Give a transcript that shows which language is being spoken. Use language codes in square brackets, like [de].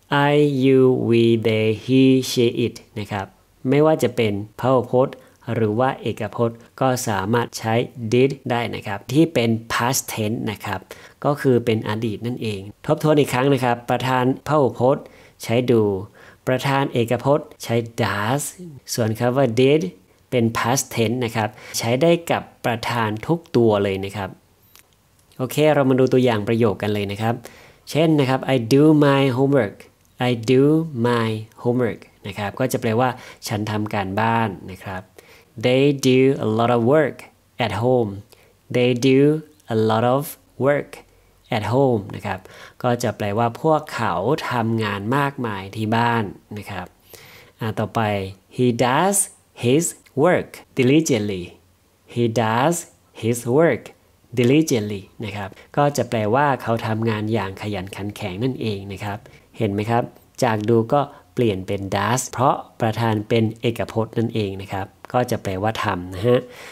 [en] I you we they he she it [th] นะครับไม่ว่าจะเป็นพหูพจน์หรือว่าเอกพจน์ก็สามารถใช้ did ได้นะครับที่เป็น past tense นะครับก็คือเป็นอดีตนั่นเองทบทวนอีกครั้งนะครับประธานพหูพจน์ใช้ do ประธานเอกพจน์ใช้ does ส่วนคำว่า did เป็น past tense นะครับใช้ได้กับประธานทุกตัวเลยนะครับ โอเคเรามาดูตัวอย่างประโยคกันเลยนะครับเช่นนะครับ [en] I do my homework [th] I do my homework นะครับก็จะแปลว่าฉันทำการบ้านนะครับ [en] They do a lot of work at home. They do a lot of work at home. [th] นะครับก็จะแปลว่าพวกเขาทำงานมากมายที่บ้านนะครับต่อไป [en] He does his work diligently. He does his work diligently. [th] นะครับก็จะแปลว่าเขาทำงานอย่างขยันขันแข็งนั่นเองนะครับเห็นไหมครับจากดูก็เปลี่ยนเป็น does เพราะประธานเป็นเอกพจน์นั่นเองนะครับก็จะแปลว่าทำนะฮะ